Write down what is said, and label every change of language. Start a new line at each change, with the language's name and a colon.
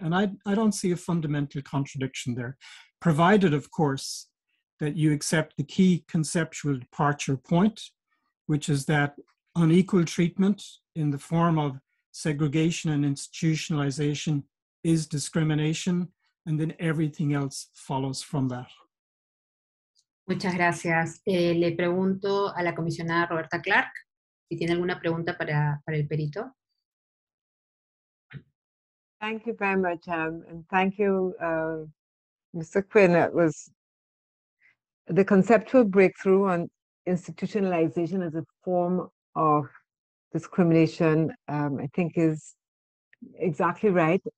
English: And I don't see a fundamental contradiction there, provided, of course, that you accept the key conceptual departure point, which is that unequal treatment in the form of segregation and institutionalization is discrimination, and then everything else follows from that.
Spanish: Muchas gracias. Le pregunto a la comisionada Roberta Clark si tiene alguna pregunta para el perito.
English: Thank you very much, and thank you, Mr. Quinn. It was the conceptual breakthrough on institutionalization as a form of discrimination, I think is exactly right.